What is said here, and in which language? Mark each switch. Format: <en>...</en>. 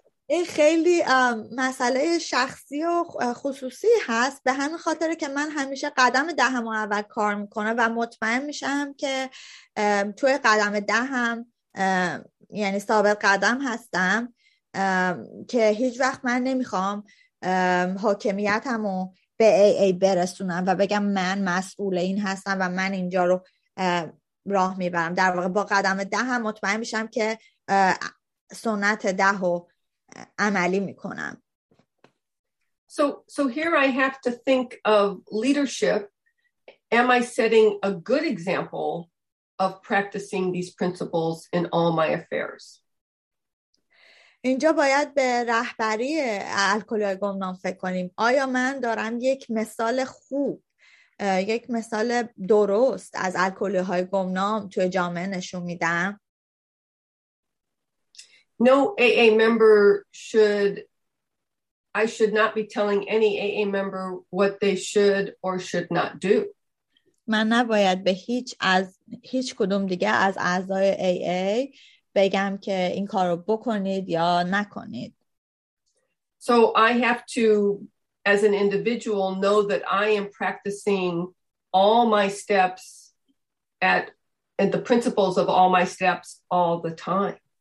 <fa>این خیلی مسئله شخصی و خصوصی هست، به همین خاطر که من همیشه قدم دهم و اول کار میکنم و مطمئن میشم که توی قدم دهم، یعنی ثابت قدم هستم، که هیچ وقت من نمیخوام حاکمیتم رو به AA برسونم و بگم من مسئول این هستم و من اینجا رو راه میبرم. در واقع با قدم دهم مطمئن میشم که سنت ده رو عملی میکنم.</fa> <en>So here I have to think of leadership. Am I setting a good example of practicing these principles in all my affairs?</en> <fa>اینجا باید به رهبری الکلی‌های گمنام فکر کنیم. آیا من دارم یک مثال خوب، یک مثال درست از الکلی‌های گمنام توی جامعه نشون میدم؟</fa> <en>No AA member should, I should not be telling any AA member what they should or should not do.</en> <fa>من نباید به هیچ کدوم دیگه از اعضای AA بگم که این کارو بکنید یا نکنید.</fa> <en>So I have to, as an individual, know that I am practicing all my steps at the principles of all my steps all the time.</en>